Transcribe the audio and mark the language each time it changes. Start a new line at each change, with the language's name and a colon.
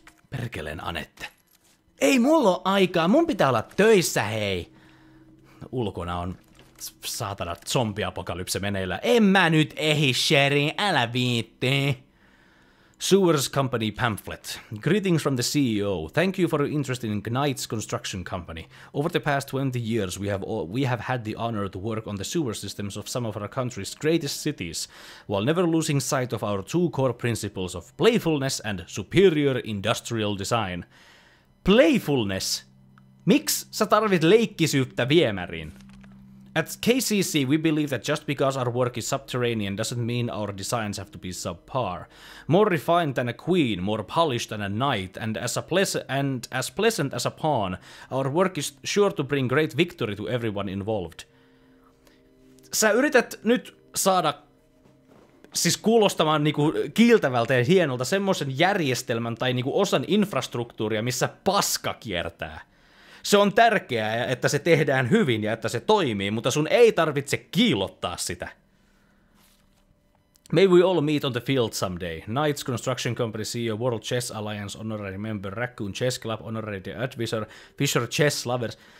Finnish: Perkeleen, Anette. Ei mulla ole aikaa, mun pitää olla töissä, hei! Ulkona on saatana zombiapokalypse meneillä. En mä nyt ehi, Sherry, älä viitti!
English: Sewers Company pamphlet. Greetings from the CEO. Thank you for your interest in Knight's Construction Company. Over the past 20 years, we have had the honor to work on the sewer systems of some of our country's greatest cities, while never losing sight of our two core principles of playfulness and superior industrial design. Playfulness.
Finnish: Miks sä tarvit leikkisyyttä viemäriin?
English: At KCC, we believe that just because our work is subterranean doesn't mean our designs have to be subpar. More refined than a queen, more polished than a knight, and as pleasant as a pawn, our work is sure to bring great victory to everyone involved.
Finnish: Sä yrität nyt saada siis kuulostamaan niinku kiiltävältä ja hienolta semmoisen järjestelmän tai niinku osan infrastruktuuria, missä paska kiertää. Se on tärkeää, että se tehdään hyvin ja että se toimii, mutta sun ei tarvitse kiilottaa sitä.
English: May we all meet on the field someday. Knights Construction Company CEO, World Chess Alliance Honorary Member, Raccoon Chess Club Honorary Advisor, Fisher Chess Lovers.